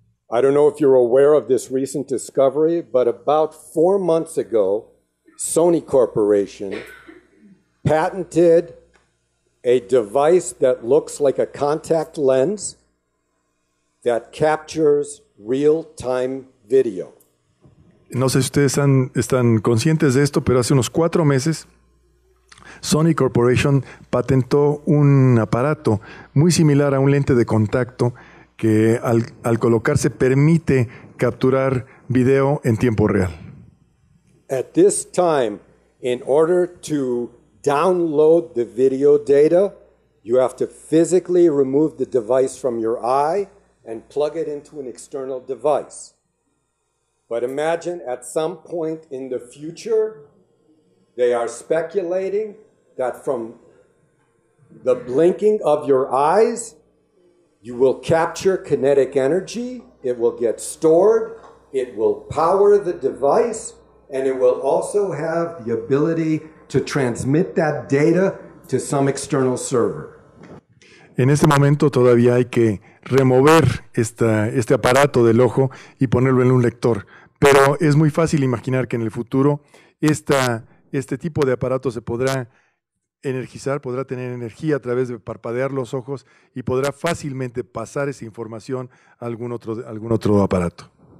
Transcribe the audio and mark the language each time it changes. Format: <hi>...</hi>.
<en>I don't know if you're aware of this recent discovery, but about 4 months ago, Sony Corporation patented a device that looks like a contact lens that captures real-time video.</en> <es>No sé si ustedes están conscientes de esto, pero hace unos 4 meses, Sony Corporation patentó un aparato muy similar a un lente de contacto que al colocarse permite capturar video en tiempo real.</es> <en>At this time, in order to download the video data, you have to physically remove the device from your eye and plug it into an external device. But imagine at some point in the future, they are speculating that from the blinking of your eyes, you will capture kinetic energy, it will get stored, it will power the device, and it will also have the ability to transmit that data to some external server.</en> <es>En este momento todavía hay que remover este aparato del ojo y ponerlo en un lector. Pero es muy fácil imaginar que en el futuro este tipo de aparato se podrá energizar, podrá tener energía a través de parpadear los ojos y podrá fácilmente pasar esa información a algún otro aparato.</es>